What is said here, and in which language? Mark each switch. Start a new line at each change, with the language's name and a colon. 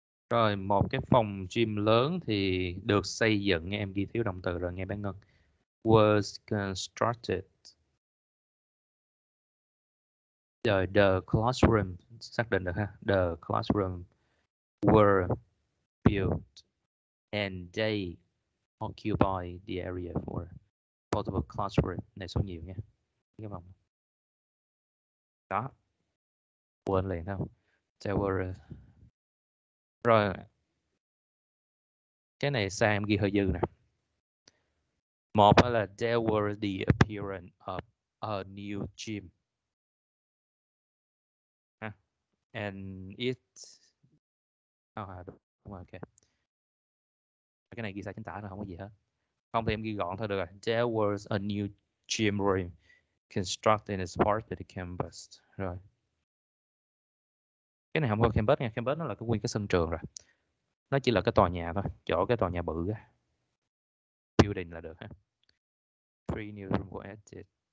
Vietnamese: Rồi, một cái phòng gym lớn thì được xây dựng, em ghi thiếu động từ rồi nghe bé Ngân.
English: Was constructed.
Vietnamese: Rồi,
English: the classroom,
Vietnamese: xác định được ha.
English: The classroom were built and they occupy the area for portable classroom.
Vietnamese: Này số nhiều nha. Cái phòng. Đó. Quên liền không?
English: There were.
Vietnamese: Rồi. Cái này sang em ghi hơi dư nè. Một là
English: there were the appearance of a new gym. And it
Vietnamese: đúng rồi,
English: ok.
Vietnamese: Cái này ghi sai chính tả rồi, không có gì hết. Không thì em ghi gọn thôi được rồi.
English: There was a new gym room constructed as part of the campus.
Vietnamese: Rồi. Cái này không có campus nha, campus nó là cái nguyên cái sân trường rồi. Nó chỉ là cái tòa nhà thôi, chỗ cái tòa nhà bự á. Building là được ha.
English: Three new rooms were added.